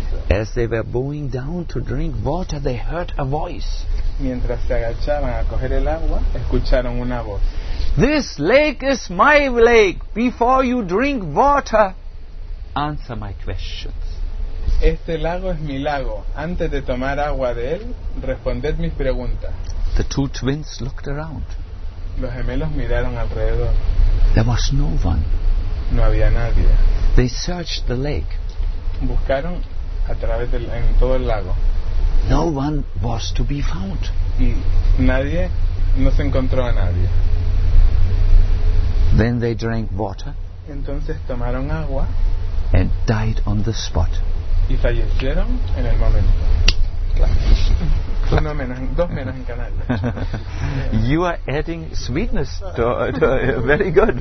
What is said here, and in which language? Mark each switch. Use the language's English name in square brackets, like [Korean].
[English] As they were bowing down to drink water, they heard a voice. [Spanish] Mientras se agachaban a coger el agua, escucharon una voz. [English] This lake is my lake. Before you drink water, answer my questions. [Spanish] Este lago es mi lago. Antes de tomar agua de él, responded mis preguntas. [English] The two twins looked around. [Spanish] Los gemelos miraron alrededor. [English] There was no one. [Spanish] No había nadie. [English] They searched the lake. [Spanish] Buscaron a través del en todo el lago. [English] No one was to be found. [Spanish] Y nadie, no se encontró a nadie. [English] Then they drank water. [Spanish] Entonces tomaron agua. [English] And died on the spot. [Spanish] Y fallecieron en el momento. Claro. Dos menos en Canarias. [English] You are adding sweetness to very good.